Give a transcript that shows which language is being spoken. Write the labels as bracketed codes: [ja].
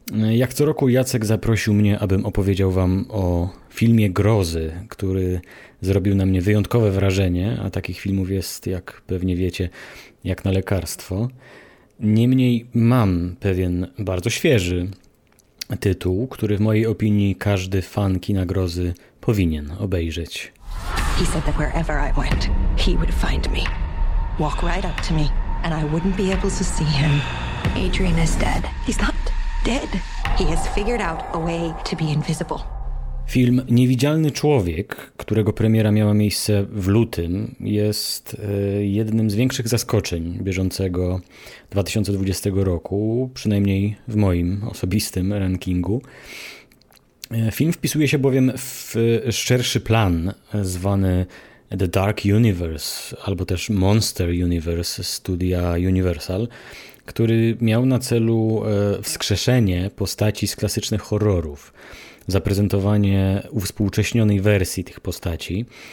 [pl] Jak co roku Jacek zaprosił mnie, abym opowiedział wam o filmie grozy, który zrobił na mnie wyjątkowe wrażenie, a takich filmów jest, jak pewnie wiecie, jak na lekarstwo. Niemniej mam pewien bardzo świeży tytuł, który w mojej opinii każdy fan kina grozy powinien obejrzeć. [en] He said that wherever I went, he would find me. Walk right up to me and I wouldn't be able to see him. Adrian is dead. He's not dead. He has figured out a way to be invisible. [pl] Film Niewidzialny Człowiek, którego premiera miała miejsce w lutym, jest jednym z większych zaskoczeń bieżącego 2020 roku, przynajmniej w moim osobistym rankingu. Film wpisuje się bowiem w szerszy plan zwany The Dark Universe, albo też Monster Universe studia Universal, który miał na celu wskrzeszenie postaci z klasycznych horrorów, zaprezentowanie uwspółcześnionej wersji tych postaci.